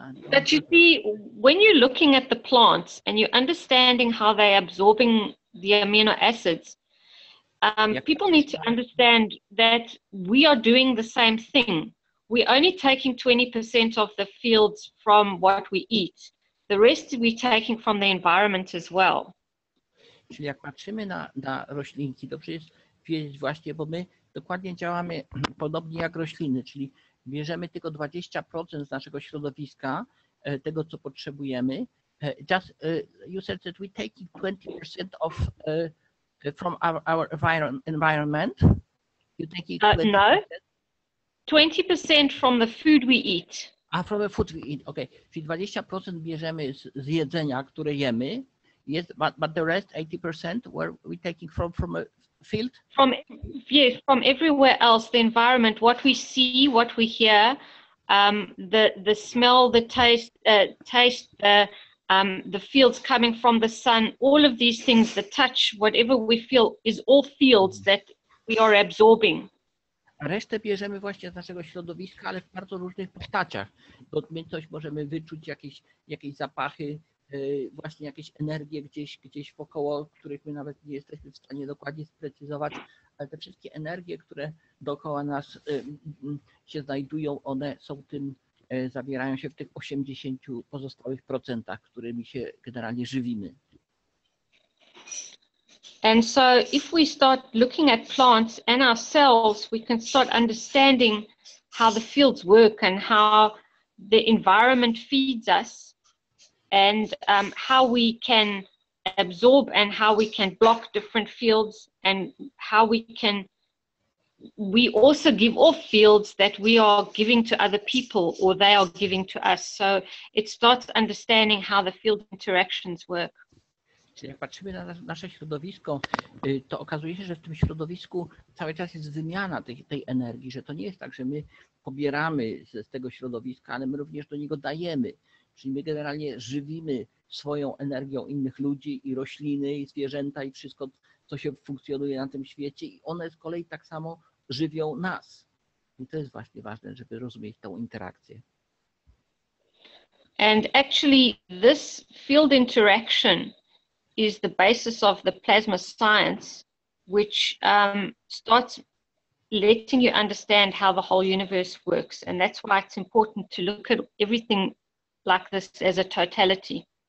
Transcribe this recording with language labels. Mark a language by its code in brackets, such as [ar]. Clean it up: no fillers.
[en] But you see, when you're looking at the plants and you're understanding how they're absorbing the amino acids, people need to understand that we are doing the same thing. We're only taking 20% of the fields from what we eat. The rest we're taking from the environment as well. [pl] Czyli jak patrzymy na roślinki, to przecież wiedzieć właśnie, bo my dokładnie działamy podobnie jak rośliny, czyli bierzemy tylko 20% z naszego środowiska, tego co potrzebujemy. [en] Just you said that we're taking 20% of from our environment. You take it 20%? No. 20% from the food we eat. From the food we eat, okay. [pl] Czyli 20% bierzemy z jedzenia, które jemy. [en] Yes, but the rest, 80%, where we taking from a field? From everywhere else, the environment, what we see, what we hear, the smell, the taste, the fields coming from the sun, all of these things, the touch, whatever we feel, is all fields that we are absorbing. [pl] A resztę bierzemy właśnie z naszego środowiska, ale w bardzo różnych postaciach. Bo my coś możemy wyczuć, jakieś zapachy, właśnie jakieś energie gdzieś wokoło, których my nawet nie jesteśmy w stanie dokładnie sprecyzować, ale te wszystkie energie, które dookoła nas się znajdują, one są tym, zawierają się w tych 80 pozostałych procentach, którymi się generalnie żywimy. [en] And so if we start looking at plants and ourselves, we can start understanding how the fields work and how the environment feeds us and how we can absorb and how we can block different fields and how we also give off fields that we are giving to other people or they are giving to us. So it starts understanding how the field interactions work. [pl] Czyli jak patrzymy na nasze środowisko, to okazuje się, że w tym środowisku cały czas jest wymiana tej energii, że to nie jest tak, że my pobieramy z tego środowiska, ale my również do niego dajemy. Czyli my generalnie żywimy swoją energią innych ludzi i rośliny, i zwierzęta, i wszystko, co się funkcjonuje na tym świecie. I one z kolei tak samo żywią nas. I to jest właśnie ważne, żeby rozumieć tą interakcję. [en] And actually this field interaction is the basis of the plasma science, which starts letting you understand how the whole universe works. And that's why it's important to look at everything like this as a totality.